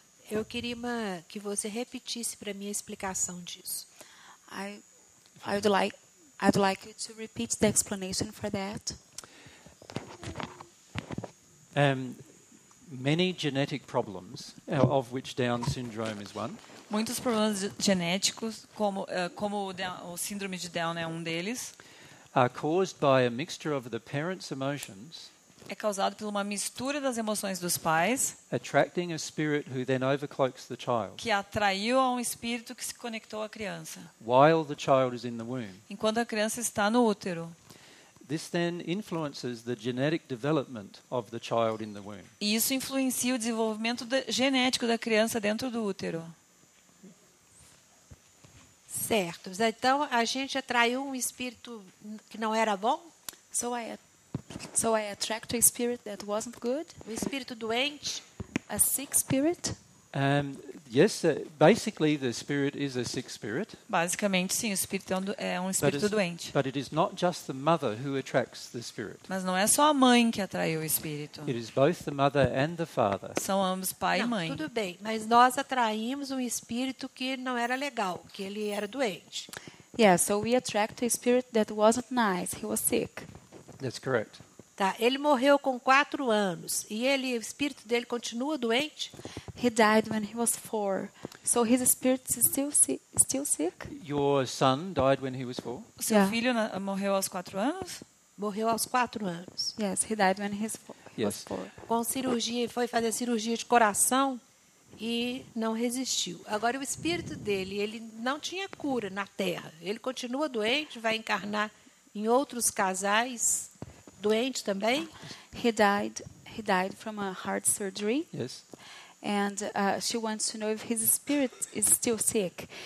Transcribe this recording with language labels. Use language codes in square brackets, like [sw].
[pt] Eu queria que você repetisse para mim a explicação disso. [en] I would like you to repeat the explanation for that. Many genetic problems, of which Down syndrome is one. [pt] Muitos problemas genéticos, como o síndrome de Down é um deles. [en] Are caused by a mixture of the parents' emotions. [pt] É causado por uma mistura das emoções dos pais, [en] attracting a spirit who then overcloaks the child, [pt] que atraiu a um espírito que se conectou à criança, [en] while the child is in the womb. [pt] Enquanto a criança está no útero. [en] This then influences the genetic development of the child in the womb. [pt] E isso influencia o desenvolvimento genético da criança dentro do útero. Certo. Então a gente atraiu um espírito que não era bom? [en] So I attract a spirit that wasn't good. [pt] O espírito doente, [en] a sick spirit. Yes, basically the spirit is a sick spirit. [pt] Basicamente sim, o espírito é um espírito doente. [en] But it is not just the mother who attracts the spirit. [pt] Mas não é só a mãe que atrai o espírito. [en] It is both the mother and the father. [pt] São ambos pai não, e mãe. Tudo bem, mas nós atraímos um espírito que não era legal, que ele era doente. [en] Yeah, so we attract a spirit that wasn't nice. He was sick. That's correct. [pt] Tá, ele morreu com 4 anos e ele, o espírito dele continua doente? [en] He died when he was 4. So his spirit is still sick? Your son died when he was 4? [pt] Seu yeah. filho morreu aos 4 anos? Morreu aos 4 anos. [en] Yes, he died when he was 4. Yes. [pt] Com cirurgia, foi fazer cirurgia de coração e não resistiu. Agora o espírito dele, ele não tinha cura na Terra. Ele continua doente, vai encarnar em outros casais doente também. [en] He died from a heart surgery. Yes. And she wants to know if his spirit is still sick.